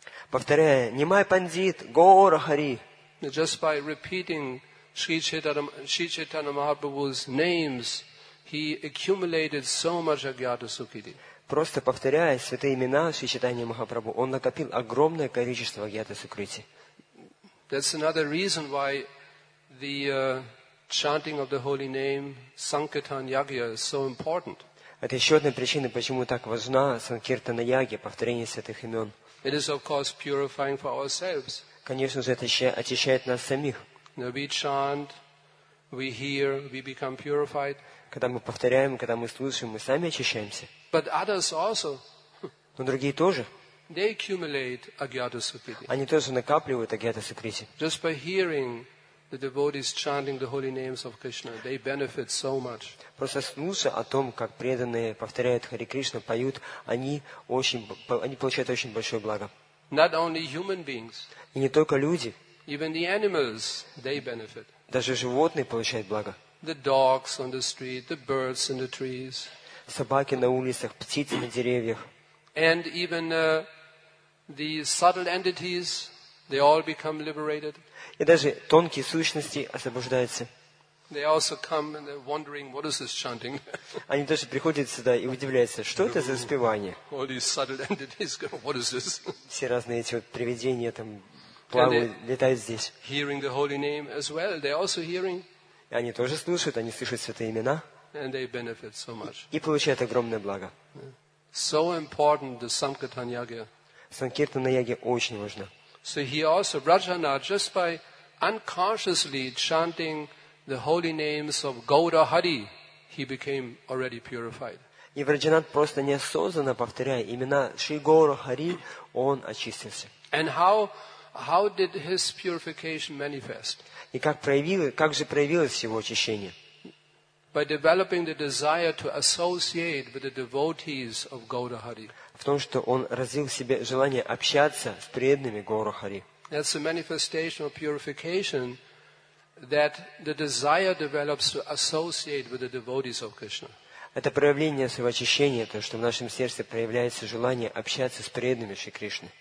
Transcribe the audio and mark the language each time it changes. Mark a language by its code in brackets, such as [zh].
[ru] Повторяя Nimai Pandit Gaurahari. [en] Just by repeating Sri Chaitanya Mahaprabhu's names, he accumulated so much Agyata Sukriti. [ru] Просто повторяя святые имена Шри Чайтаньи Махапрабху, он накопил огромное количество Агьята Сукрити. [en] That's another reason why the chanting of the holy name Sankirtan Yagya is so important. [ru] Это еще одна причина, почему так важна Санкиртана Ягья, повторение святых имен. [en] It is of course purifying for ourselves. [ru] Конечно же, это очищает нас самих. [en] we chant, we hear, we become purified. [ru] Когда мы повторяем, когда мы слышим, мы сами очищаемся. [en] But others also. [ru] Но другие тоже. [en] They accumulate agyata-supiti. [ru] Они тоже накапливают агьята-сукрити. [en] Just by hearing the devotees chanting the holy names of Krishna, they benefit so much. [ru] Просто слушая о том, как преданные повторяют Харе Кришна, поют, они получают очень большое благо. [en] Not only human beings. [ru] И не только люди. [en] Even the animals, they benefit. [ru] Даже животные получают благо. [en] The dogs on the street, the birds in the trees. [ru] Собаки на улицах, птицы на деревьях. [en] And even the subtle entities, they all become liberated. [ru] И даже тонкие сущности освобождаются. [en] They also come and they're wondering, what is this chanting? [ru] Они тоже приходят сюда и удивляются, что это за спевание? [en] All these subtle entities go, what is this? [ru] Все разные эти вот привидения там плавают, летают здесь. [en] Hearing the holy name as well, they also hearing. [ru] И они тоже слушают, они слышат святые имена. [en] And they benefit so much. [ru] И получают огромное благо. [en] So important the Sankirtan Yagya. [ru] Санкиртана Яги очень важна. [en] So he also, Rajana, just by unconsciously chanting the holy names of Gaura Hari, he became already purified. [ru] И Раджанат просто неосознанно повторяя имена Шри Гаура Хари, он очистился. [en] And how did his purification manifest? [ru] И как же проявилось его очищение? [en] By developing the desire to associate with the devotees of Gaura Hari. [ru] В том, что он развил в себе желание общаться с преданными Гаура Хари. [en] That's a manifestation of purification. That the desire develops to associate with the devotees of Krishna. [ru] Это проявление своего очищения, то, что в нашем сердце проявляется желание общаться с преданными Шри Кришны.